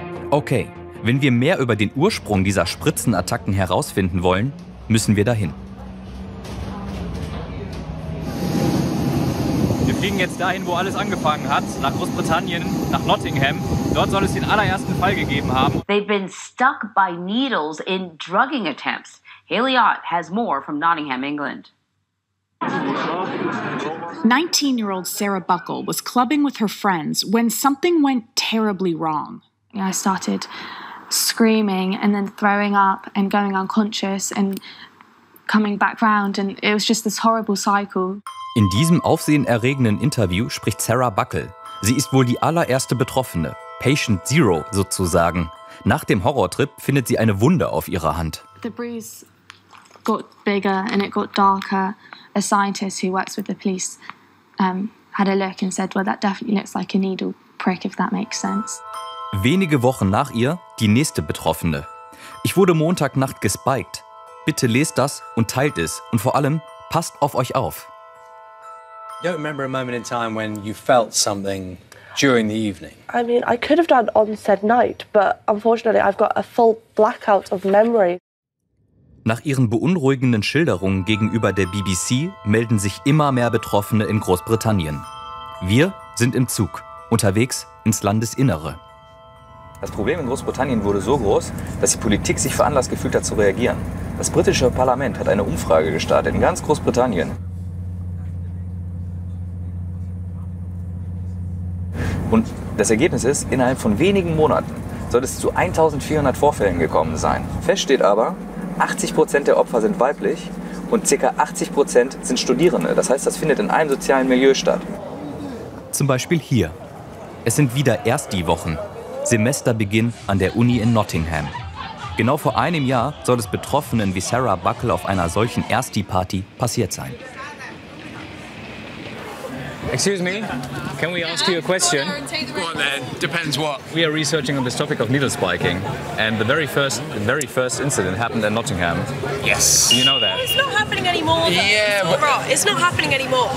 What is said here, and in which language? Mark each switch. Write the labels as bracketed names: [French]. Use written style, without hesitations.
[German] Okay, wenn wir mehr über den Ursprung dieser Spritzenattacken herausfinden wollen, müssen wir dahin. Wir fliegen jetzt dahin, wo alles angefangen hat, nach Großbritannien, nach Nottingham. Dort soll es den allerersten Fall gegeben haben. [English] They've been stuck by needles in drugging attempts. Hayley Ott has more from Nottingham, England. 19-year-old Sarah Buckle was clubbing with her friends when something went terribly wrong. I started screaming and then throwing up and going unconscious and coming back round, and it was just this horrible cycle. [German] In diesem aufsehenerregenden Interview spricht Sarah Buckle. Sie ist wohl die allererste Betroffene, Patient Zero sozusagen. Nach dem Horrortrip findet sie eine Wunde auf ihrer Hand. [English] The bruise got bigger and it got darker. A scientist who works with the police had a look and said, well, that definitely looks like a needle prick, if that makes sense. [German] Wenige Wochen nach ihr die nächste Betroffene. Ich wurde Montagnacht gespiked. Bitte lest das und teilt es. Und vor allem, passt auf euch auf. [English] You don't remember a moment in time when you felt something during the evening? I mean, I could have done on said night, but unfortunately I've got a full blackout of memory. [German] Nach ihren beunruhigenden Schilderungen gegenüber der BBC melden sich immer mehr Betroffene in Großbritannien. Wir sind im Zug, unterwegs ins Landesinnere. Das Problem in Großbritannien wurde so groß, dass die Politik sich veranlasst gefühlt hat zu reagieren. Das britische Parlament hat eine Umfrage gestartet in ganz Großbritannien. Und das Ergebnis ist, innerhalb von wenigen Monaten soll es zu 1400 Vorfällen gekommen sein. Fest steht aber, 80% der Opfer sind weiblich und ca. 80% sind Studierende. Das heißt, das findet in einem sozialen Milieu statt. Zum Beispiel hier. Es sind wieder erst die Wochen. Semesterbeginn an der Uni in Nottingham. Genau vor einem Jahr soll es Betroffenen wie Sarah Buckle auf einer solchen Ersti-Party passiert sein. [English] Excuse me, can we ask you a question? Go on then, depends what. We are researching on this topic of needle spiking, and the very first incident happened in Nottingham. Yes. You know that. It's not happening anymore though. Yeah, It's not happening anymore.